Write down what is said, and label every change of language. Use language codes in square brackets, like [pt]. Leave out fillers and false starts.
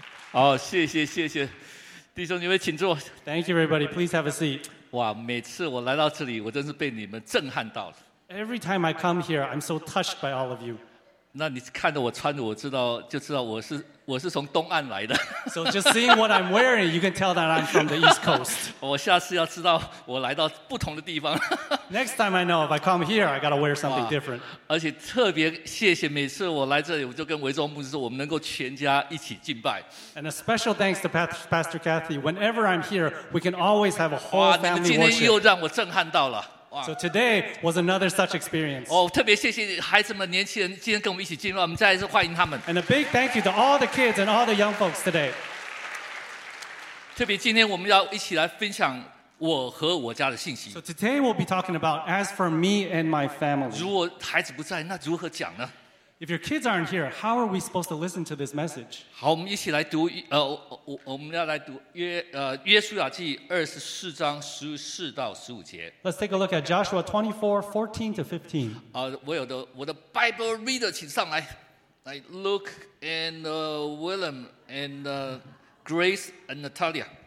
[zh] 好，谢谢谢谢，弟兄你们请坐。 [en] Thank you, everybody. Please have a seat. [zh] 哇，每次我来到这里，我真是被你们震撼到了。 [en] Every time I come here, I'm so touched by all of you. [zh] 那你看着我穿着，我知道我是从东岸来的。 [en] So just seeing what I'm wearing, you can tell that I'm from the East Coast. [zh] 我下次要知道我来到不同的地方。 [en] Next time I know if I come here, I gotta wear something different. [zh] 而且特别谢谢每次我来这里，我就跟维中牧师说，我们能够全家一起敬拜。 [en] And a special thanks to Pastor Kathy. Whenever I'm here, we can always have a whole family worship. [zh] 今天又让我震撼到了。 [en] So today was another such experience. [zh] 特别谢谢孩子们、年轻人今天跟我们一起进入，我们再一次欢迎他们。 [en] And a big thank you to all the kids and all the young folks today. [zh] 特别今天我们要一起来分享我和我家的信息。 [en] So today we'll be talking about as for me and my family. [zh] 如果孩子不在，那如何讲呢 [en] ？If your kids aren't here, how are we supposed to listen to this message? [zh] 好，我们一起来读我们要来读约书亚记24:14-15. [en] Let's take a look at Joshua 24:14-15. [zh] 我的 Bible reader 请上来。来 Luke and William and Grace and Natalia.